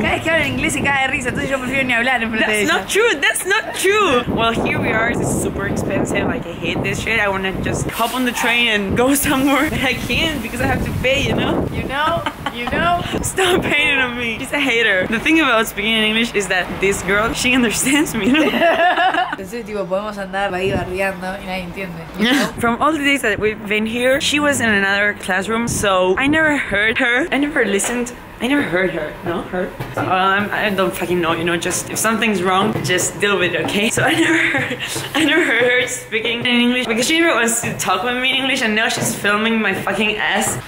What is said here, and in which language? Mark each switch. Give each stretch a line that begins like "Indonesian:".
Spanish: Cada vez que hablo en inglés se cae de risa, entonces yo prefiero ni hablar en frente de ella.
English: That's not true. That's not true. Well, here we are. It's super expensive. Like, I hate this shit. I wanna just hop on the train and go somewhere. But I can't because I have to pay, you know? You know? You know? Stop painting on me. She's a hater. The thing about speaking in English is that this girl, she understands me, you know?
Spanish: Entonces, tipo, podemos andar ahí barriando y nadie entiende.
English: From all the days that we've been here, she was in another classroom, so I never heard her. I never heard her. No, her. Well, I don't fucking know. You know, just if something's wrong, just deal with it, okay? So I never heard her speaking in English because she never wants to talk with me in English, and now she's filming my fucking ass.